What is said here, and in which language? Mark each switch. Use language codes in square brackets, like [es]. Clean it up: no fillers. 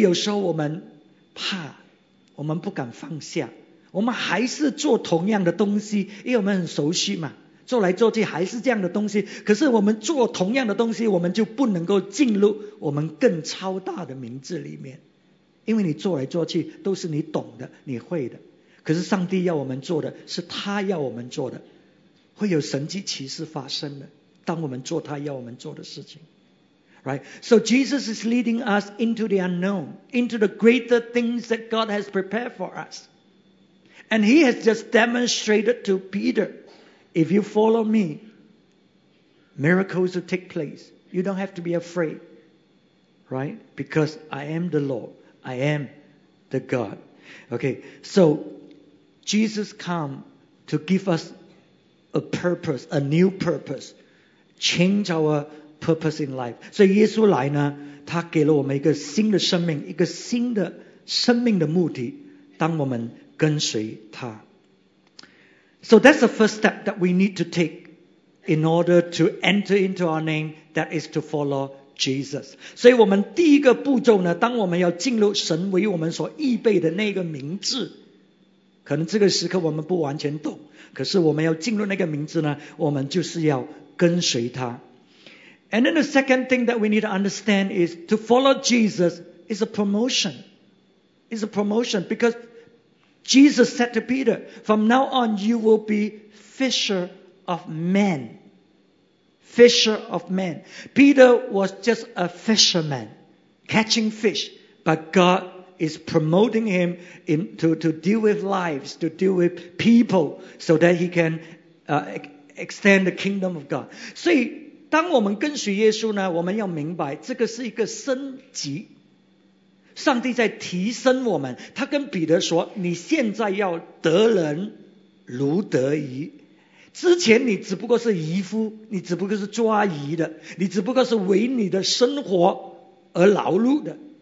[zh] 所以有时候我们怕, 我们不敢放下, 我们还是做同样的东西, 因为我们很熟悉嘛, 做来做去还是这样的东西, 可是我们做同样的东西, 我们就不能够进入我们更超大的名字里面, 因为你做来做去, 都是你懂的, 你会的。可是上帝要我们做的是他要我们做的, 会有神迹奇事发生的, 当我们做他要我们做的事情。 [en] Right? So Jesus is leading us into the unknown, into the greater things that God has prepared for us. And he has just demonstrated to Peter, if you follow me, miracles will take place. You don't have to be afraid. Right? Because I am the Lord. I am the God. Okay, so Jesus come to give us a purpose, a new purpose, change our purpose in life. [zh] 所以耶稣来呢, 他给了我们一个新的生命, 一个新的生命的目的, 当我们跟随他。 [en] So that's the first step that we need to take in order to enter into our name, that is to follow Jesus. [zh] 所以我们第一个步骤呢, 当我们要进入神为我们所预备的那个名字, 可能这个时刻我们不完全懂, 可是我们要进入那个名字呢, 我们就是要跟随他。 [en] And then the second thing that we need to understand is to follow Jesus is a promotion. It's a promotion because Jesus said to Peter, from now on you will be fisher of men. Fisher of men. Peter was just a fisherman catching fish, but God is promoting him in, to deal with lives, to deal with people, so that he can extend the kingdom of God. [zh] 所以, 当我们跟随耶稣呢, 我们要明白, 这个是一个升级, 上帝在提升我们, 他跟彼得说, 你现在要得人如得鱼, 之前你只不过是渔夫, 你只不过是抓鱼的, 你只不过是为你的生活而劳碌的,